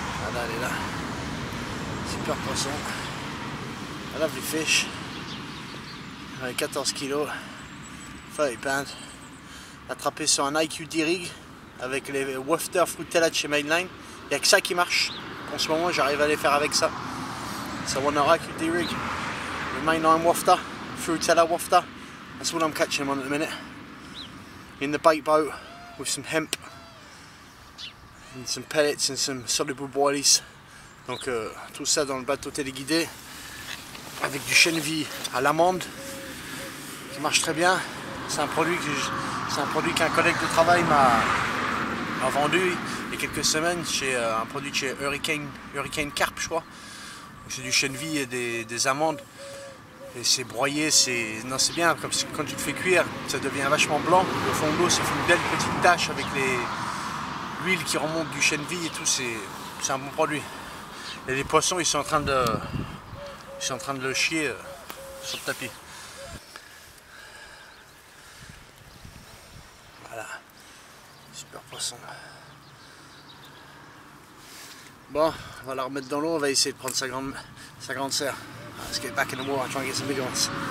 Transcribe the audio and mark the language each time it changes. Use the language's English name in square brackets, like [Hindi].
[French] Voilà, elle est là. Super poisson. [English] I love the fish. [French] Avec 14 kilos. Feuille peinte. Attrapé sur un IQ D-Rig avec les Wafter Frutella chez Mainline. Il n'y a que ça qui marche. En ce moment, j'arrive à les faire avec ça. C'est un IQ D-Rig. Le Mainline Wafter. Frutella Wafter. [English] That's what I'm catching on at the minute. In the bait boat with some hemp. And some pellets and some soluble boilies. [French] Donc tout ça dans le bateau téléguidé avec du chenvi à l'amande qui marche très bien. C'est un produit qu'un collègue de travail m'a vendu il y a quelques semaines chez un produit chez Hurricane Carp, je crois. Donc, c'est du chenvi et des amandes et c'est broyé. C'est bien comme quand tu le fais cuire, ça devient vachement blanc. Le fond de l'eau, ça fait une belle petite tache avec l'huile qui remonte du chenvi et tout, c'est un bon produit. Et les poissons, ils sont en train de le chier sur le tapis. Voilà, super poisson. Bon, on va la remettre dans l'eau, on va essayer de prendre sa grande sœur. [English] Let's get back in the water, try and get some big ones.